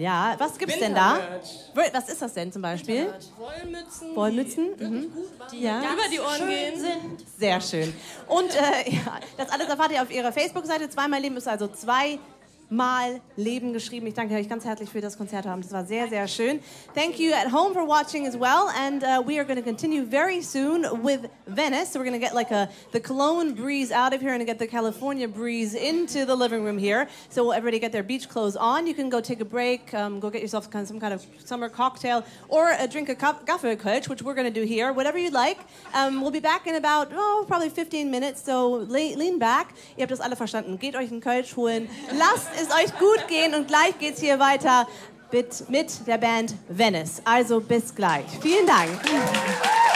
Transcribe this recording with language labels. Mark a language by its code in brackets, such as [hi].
[de] Ja, was gibt's denn da? Was ist das denn zum Beispiel? Wollmützen. Die über die Ohren gehen. Sind. Sehr schön. Und das alles erfahrt ihr auf ihrer Facebook-Seite. Zweimal Leben ist also Zweimal Leben geschrieben. Ich danke euch ganz herzlich für das Konzert haben. Das war sehr, sehr schön. [en] Thank you at home for watching as well. And we are going to continue very soon with Venice. So we're going to get like the cologne breeze out of here and get the California breeze into the living room here. So will everybody get their beach clothes on. You can go take a break, go get yourself some kind of summer cocktail or drink a Gaffelkölsch, which we're going to do here. Whatever you'd like. We'll be back in about, probably 15 minutes. So lean back. [de] Ihr habt das alle verstanden. Geht euch einen Kölsch holen. Es euch gut gehen und gleich geht's hier weiter mit der Band Venice. Also bis gleich. Vielen Dank.